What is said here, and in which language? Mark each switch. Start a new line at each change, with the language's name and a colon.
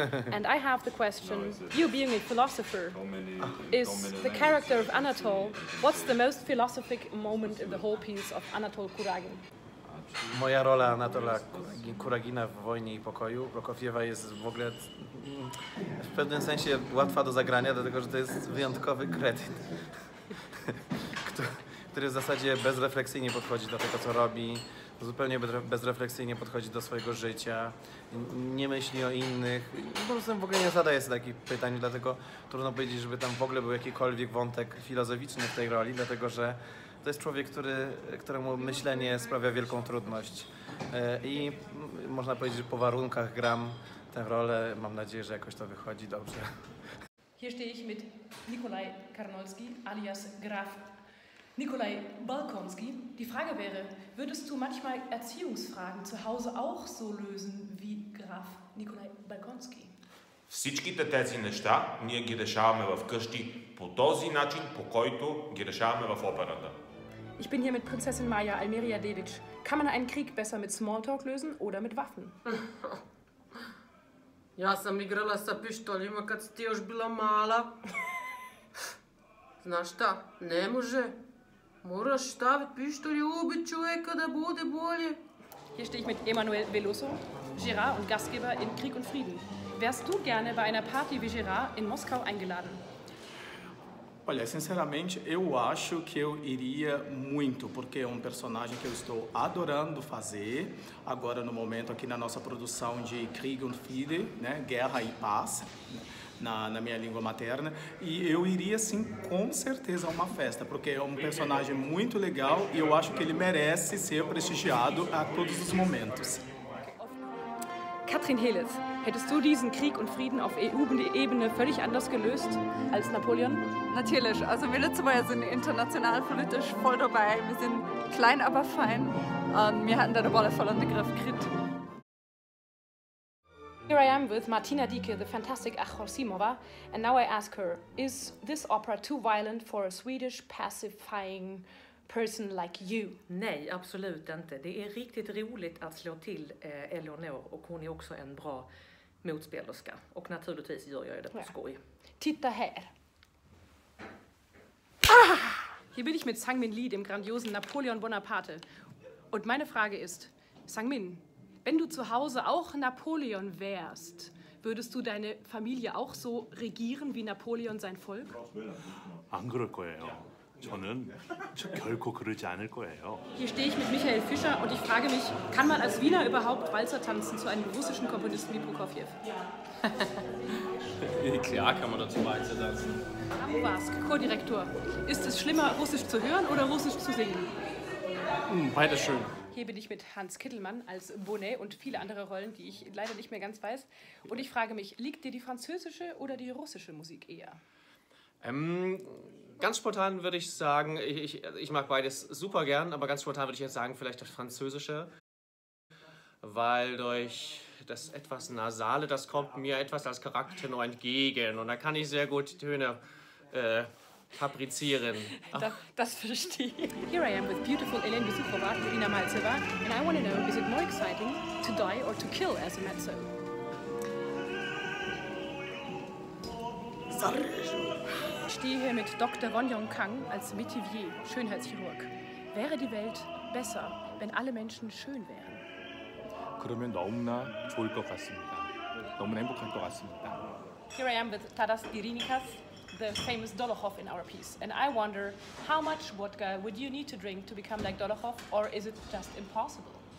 English: And I have the question, you being a philosopher, is the character of Anatole, what's the most philosophic moment in the whole piece of Anatole Kuragin?
Polish: Moja rola Anatola Kuragina w Wojnie i Pokoju Prokofiewa jest w ogóle w pewnym sensie łatwa do zagrania, dlatego że to jest wyjątkowy kretyn, który w zasadzie bezrefleksyjnie podchodzi do tego, co robi, zupełnie bezrefleksyjnie podchodzi do swojego życia, nie myśli o innych, po prostu w ogóle nie zadaje sobie takich pytań, dlatego trudno powiedzieć, żeby tam w ogóle był jakikolwiek wątek filozoficzny w tej roli, dlatego że to jest człowiek, któremu myślenie sprawia wielką trudność. I można powiedzieć, że po warunkach gram tę rolę. Mam nadzieję, że jakoś to wychodzi dobrze.
German: Hier stehe ich mit Nikolaj Karnolski, alias Graf Nikolaj Balkonski. Die Frage wäre, würdest du manchmal Erziehungsfragen zu Hause auch so lösen wie Graf Nikolaj Balkonski?
Bulgarian: Всичките тези неща ние ги решаваме вкъщи по този начин, по който ги решаваме в операта.
German: Ich bin hier mit Prinzessin Maya Almeria Dedic. Kann man einen Krieg besser mit Smalltalk lösen oder mit Waffen?
Bosnian: Ja, sam igrala sa pištoljima kad ti još bila mala. Znaš šta, ne može. Moraš staviti pištolj i ubiti čovjeka da bude bolje.
German: Hier stehe ich mit Emmanuel Veloso, Girard und Gastgeber in Krieg und Frieden. Wärst du gerne bei einer Party wie Girard in Moskau eingeladen?
Portuguese: Olha, sinceramente, eu acho que eu iria muito, porque é um personagem que eu estou adorando fazer, agora no momento aqui na nossa produção de Krieg und Friede, né, Guerra e Paz, na minha língua materna, e eu iria sim com certeza a uma festa, porque é um personagem muito legal e eu acho que ele merece ser prestigiado a todos os momentos.
German: Katrin Helitz, hättest du diesen Krieg und Frieden auf EU-Ebene völlig anders gelöst als Napoleon? Natürlich, also wir Lützebäuer sind international politisch voll dabei. Wir sind klein, aber fein. Und wir hatten da eine Rolle voll in den Griff gekriegt.
English: Here I am with Martina Dieke, the fantastic Achrosimova. And now I ask her, is this opera too violent for a Swedish pacifying person like you?
Swedish: Nej, absolut inte. Det är riktigt roligt att slå till Eleonor och hon är också en bra motspelerska. Och naturligtvis gör jag det på skoj. Titta här.
German: Hier bin ich mit Sang Min Lee, dem grandiosen Napoleon Bonaparte. Und meine Frage ist, Sang Min, Wenn du zu Hause auch Napoleon wärst, würdest du deine Familie auch so regieren wie Napoleon sein Volk?
Korean: 안 그럴 거예요. 저는 결코 그러지 않을 거예요.
German: Hier stehe ich mit Michael Fischer und ich frage mich, kann man als Wiener überhaupt Walzer tanzen zu einem russischen Komponisten wie Prokofjew? Klar kann man dazu Walzer tanzen. Abu Vask, Chordirektor, ist es schlimmer, Russisch zu hören oder Russisch zu singen? Beides schön. Hier bin ich mit Hans Kittelmann als Bonnet und viele andere Rollen, die ich leider nicht mehr ganz weiß. Und ich frage mich, liegt dir die französische oder die russische Musik eher? Ganz spontan würde ich sagen, ich mag beides super gern, aber ganz spontan würde ich jetzt sagen, vielleicht das Französische, weil durch das etwas Nasale, das kommt mir etwas als Charakter nur entgegen und da kann ich sehr gut Töne fabrizieren. Das verstehe ich.
English: Here I am with beautiful Elena Bisukova, Irina Maltseva, and I want to know, is it more exciting to die or to kill as a mezzo?
German: Ich stehe hier mit Dr. Wonjong Kang als Métivier, Schönheitschirurg. Wäre die Welt besser, wenn alle Menschen schön wären?
Korean: 그러면 너무나 좋을 것 같습니다. 너무 행복할 것 같습니다.
English: Here I am with Taras Irinikas, the famous Dolokhov in our piece. And I wonder, how much vodka would you need to drink to become like Dolokhov, or is it just impossible?